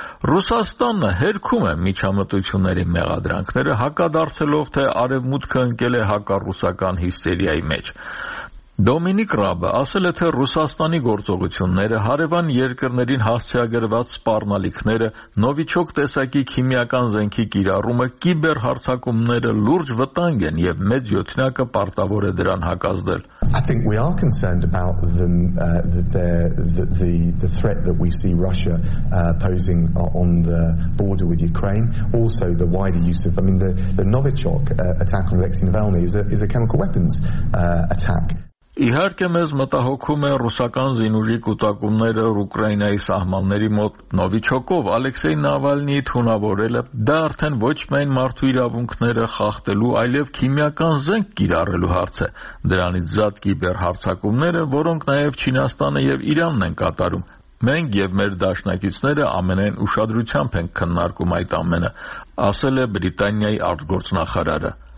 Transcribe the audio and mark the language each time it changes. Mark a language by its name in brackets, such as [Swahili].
[Armenian] Ռուսաստանը հերքում է միջամտությունների մեղադրանքները, հակադարձելով, թե Արևմուտքը ընկել է հակառուսական հիստերիայի մեջ։ Դոմինիկ Ռաբը ասել է, թե Ռուսաստանի գործողությունները, հարևան երկրներին հասցեագրված սպառնալիքները, նովիչոկ տեսակի քիմիական զենքի կիրառումը, կիբեր հարձակումները լուրջ վտանգ են և մեծ յոթնյակը պարտավոր է դրան հակազդել։ [English] I think we are concerned about the threat that we see Russia posing on the border with Ukraine, also the wider use of, I mean, the Novichok attack on Alexei Navalny is a chemical weapons attack. [Armenian] Իհարկե մեզ մտահոգում է ռուսական զինուժի կուտակումները Ուկրաինայի սահմանների մոտ Նովիչոկով Ալեքսեյ Նավալնի թունավորելը, դա արդեն ոչ միայն մարդու իրավունքները խախտելու, այլև քիմիական զենք կիրառելու հարց է, դրանից զատ կիբեր հարձակումները, որոնք նաև Չինաստանը և Իրանն են կատարում։ Մենք և մեր դաշնակիցները ամենայն ուշադրությամբ ենք քննարկում այդ ամենը, ասել է Բրիտանիայի արտգործնախարարը։